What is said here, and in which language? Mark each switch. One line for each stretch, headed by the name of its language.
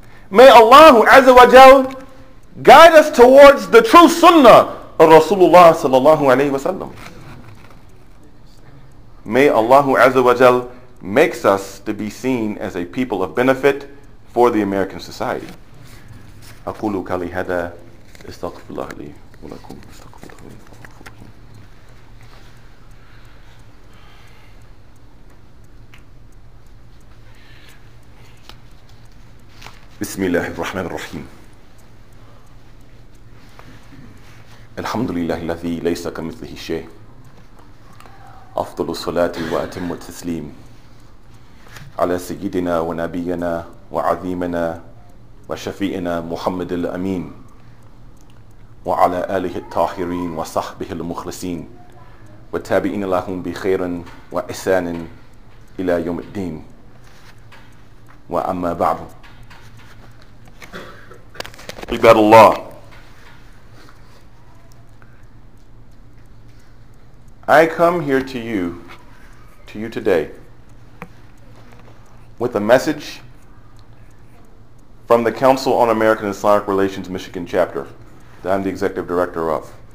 English: May Allah Azza wa Jal guide us towards the true sunnah of Rasulullah sallallahu alayhi wa sallam. May Allah Azza wa Jal makes us to be seen as a people of benefit for the American society.
Arabic: أقول كلي هذا استغفر الله لي ولكم استغفر الله لي. بسم الله الرحمن الرحيم الحمد لله الذي ليس كمثله شيء أفضل الصلاة وأتم التسليم على سيدنا ونبينا وعظيمنا وشفيئنا محمد الأمين وعلى آله الطاهرين وصحبه المخلصين والتابعين لهم بخير وإحسان إلى يوم الدين وأما بعد عباد الله
English: I come here to you today, with a message from the Council on American Islamic Relations Michigan chapter that I'm the executive director of.